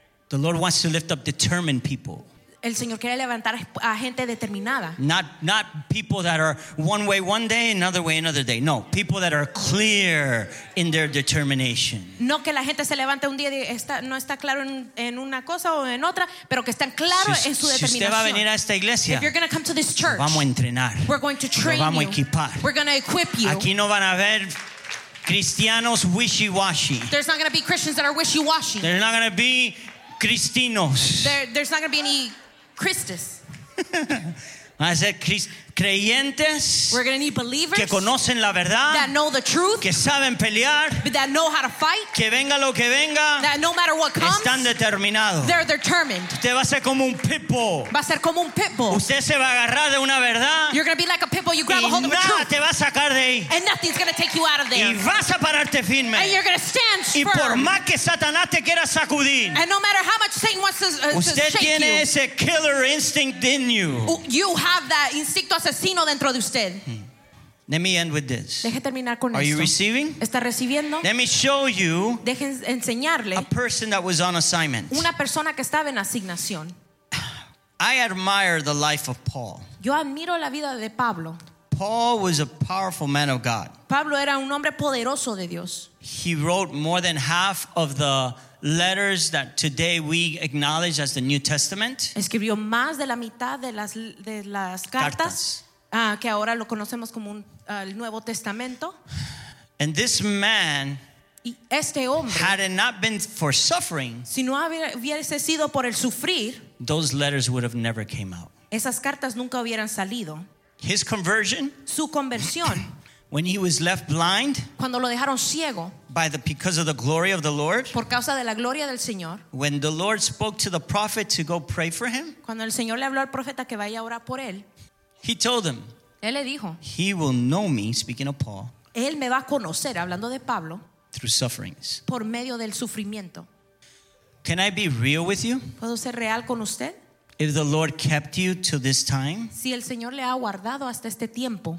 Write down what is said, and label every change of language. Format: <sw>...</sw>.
<en>The Lord wants to lift up determined people.</en> <es>El Señor quiere levantar a gente determinada.</es> <en>Not people that are one way one day, another way another day. No, people that are clear in their determination.</en> <es>No que la gente se levante un día y está, no está claro en una cosa o en otra, pero que están claros si, en su determinación. Si usted va a venir a esta iglesia,</es> <en>if you're going to come to this church,</en> <es>vamos a entrenar.</es> <en>We're going to train</en> <es>vamos</es> <en>you.</en> <es>A equipar.</es> <en>We're going to equip you.</en> <es>Aquí no van a ver cristianos wishy-washy.</es> <en>There's not going to be Christians that are wishy-washy. There's not going to be cristinos. There's not going to be any Christus.</en> <es>Va a ser creyentes.</es> <en>We're going to need believers.</en> <es>Que conocen la verdad.</es> <en>That know the truth.</en> <es>Que saben pelear.</es> <en>That know how to fight.</en> <es>Que venga lo que venga.</es> <en>That no matter what comes.</en> <es>Están determinados.</es> <en>They're determined.</en> <es>Usted va a ser como un pit bull. Va a ser como un pit bull. Usted se va a agarrar de una verdad.</es> <en>You're going to be like a pit bull. You grab a hold of the truth.</en> <es>Y nada te va a sacar de ahí.</es> <en>And nothing's going to take you out of there.</en> <es>Y vas a pararte firme.</es> <en>And you're going to stand firm.</en> <es>Y por más que Satanás te quiera sacudir.</es> <en>And no matter how much Satan wants to shake you.</en> <es>Usted tiene ese</es> <en>killer instinct in you. You have that</en> <es>instinto asesino dentro de usted.</es> <en>Let me end with this.</en> <es>Deje terminar con</es> <en>Are</en> <es>esto.</es> <en>You receiving?</en> <es>¿Está recibiendo?</es> <en>Let me show you.</en> <es>Deje enseñarle.</es> <en>A person that was on assignment.</en> <es>Una persona que estaba en asignación.</es> <en>I admire the life of Paul.</en> <es>Yo admiro la vida de Pablo.</es> <en>Paul was a powerful man of God.</en> <es>Pablo era un hombre poderoso de Dios.</es> <en>He wrote more than half of the letters that today we acknowledge as the New Testament.</en> <es>Escribió más de la mitad de las cartas. Que ahora lo conocemos como el Nuevo Testamento.</es> <en>And this man,</en> <es>este hombre,</es> <en>had it not been for suffering,</en> <es>si no hubiese sido por el sufrir,</es> <en>those letters would have never came out.</en> <es>Esas cartas nunca hubieran salido.</es> <en>His conversion,</en> <es>su conversión,</es> <en>when he was left blind,</en> <es>cuando lo dejaron ciego,</es> <en>because of the glory of the Lord,</en> <es>por causa de la gloria del Señor,</es> <en>when the Lord spoke to the prophet to go pray for him,</en> <es>cuando el Señor le habló al profeta que vaya a orar por él,</es> <en>he told him,</en> <es>él le dijo,</es> <en>he will know me, speaking of Paul,</en> <es>él me va a conocer, hablando de Pablo,</es> <en>through sufferings,</en> <es>por medio del sufrimiento.</es> <en>Can I be real with you?</en> <es>¿Puedo ser real con usted?</es> <en>If the Lord kept you to this time,</en> <es>si el Señor le ha guardado hasta este tiempo,</es>